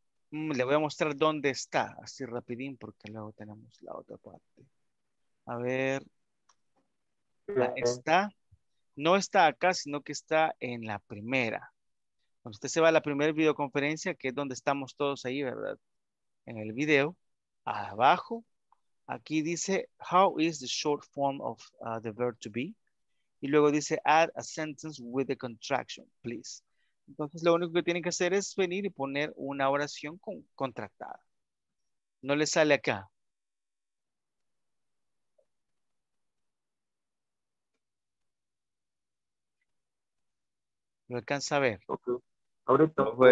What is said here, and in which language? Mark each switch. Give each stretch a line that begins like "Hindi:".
Spanish: Le voy a mostrar dónde está, así rapidín, porque luego tenemos la otra parte. A ver. Está. No está acá, sino que está en la primera. Cuando usted se va a la primera videoconferencia, que es donde estamos todos ahí, ¿verdad? En el video. Abajo. Aquí dice,
English: how is the short form of the verb to be?
Spanish: Y luego dice,
English: add a sentence with the contraction, please.
Spanish: Entonces, lo único que tienen que hacer es venir y poner una oración contractada. ¿No les sale acá? ¿Lo alcanza a ver? Okay. Ahorita voy